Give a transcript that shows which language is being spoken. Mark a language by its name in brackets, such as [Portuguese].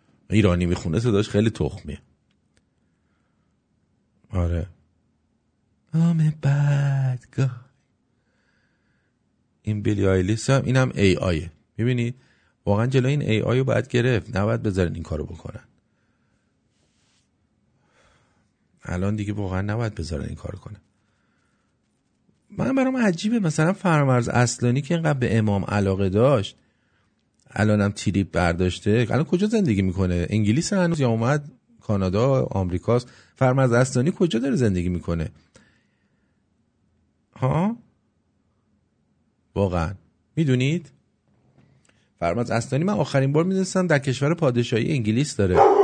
[Persian] ایرانی میخونه صداش خیلی تخمی. [English] آره I'm a bad guy. [Persian] این بیلی آیلیس هم این هم ای آیه. میبینید واقعا جلوی این ای آیو باید گرفت، نباید بذارین این کارو بکنن. الان دیگه واقعا نباید بذارین این کارو کنن. من برام عجیبه مثلا فرامرز اصلانی که اینقدر به امام علاقه داشت الانم تریپ برداشته، الان کجا زندگی میکنه؟ انگلیس هنوز یا اومد کانادا آمریکاست؟ فرامرز اصلانی کجا داره زندگی میکنه؟ ها واقعا میدونید فرامرز اصلانی من آخرین بار میدونستم در کشور پادشاهی انگلیس داره.